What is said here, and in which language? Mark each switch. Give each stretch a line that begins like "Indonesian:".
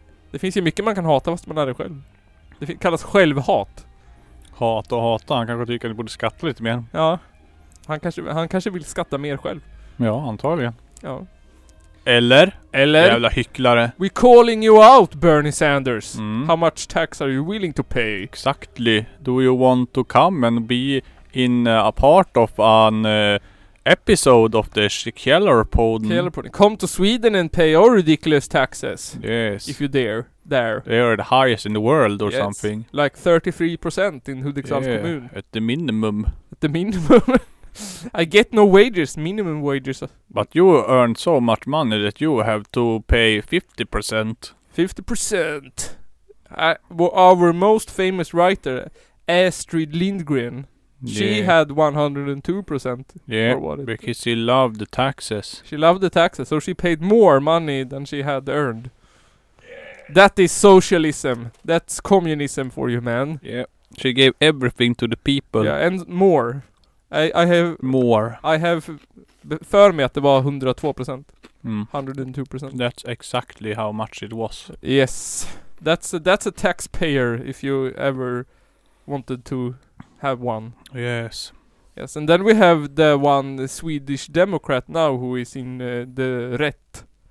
Swedish: Det finns ju mycket man kan hata fast man är det själv. Det kallas självhat. Hat och hata. Han kanske tycker att han borde skatta lite mer. Ja. Han kanske vill skatta mer själv. Ja, antagligen. Ja. Eller? Eller? Jävla hycklare.
English: We're calling you out, Bernie Sanders. Mm. How much tax are you willing to pay? Exactly. Do you want to come and be in a part of an episode of the Källarpodden? Come to Sweden and pay our ridiculous taxes. Yes. If you dare. There. They are the highest in the world or yes. Something. Like 33% in Hudiksvalls kommun. At the minimum. At the minimum. I get no wages, minimum wages. But you earn so much money that you have to pay 50%. 50%. Our most famous writer, Astrid Lindgren, she had 102%. Yeah, because she loved the taxes. She loved the taxes, so she paid more money than she had earned. Yeah. That is socialism. That's communism for you, man. Yeah, she gave everything to the people. Yeah, and more. I have more. I have
Swedish: för mig att det var 102%. Mm. 102%.
English: That's exactly how much it was. Yes. That's a taxpayer if you ever wanted to have one. Yes. Yes, and then we have the one Swedish Democrat now who is in the rätt.